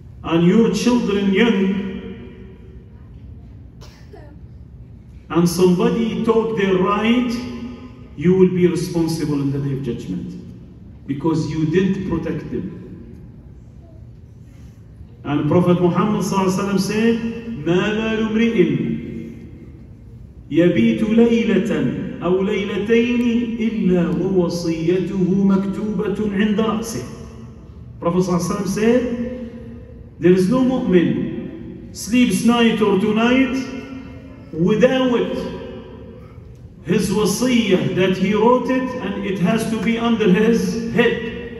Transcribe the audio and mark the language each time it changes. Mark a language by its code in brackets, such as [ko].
[en] and your children young, and somebody took their right, you will be responsible in the day of judgment because you didn't protect them. And Prophet Muhammad ﷺ said, [ar] مَا بَالُ امْرِئٍ يَبِيتُ لَيْلَةً أَوْ لَيْلَتَيْنِ إِلَّا وَوَصِيَّتُهُ مَكْتُوبَةٌ عِنْدَ رَأْسِهِ. [en] Prophet ﷺ said, there is no mu'min sleeps night or tonight without his wasiyah that he wrote it and it has to be under his head.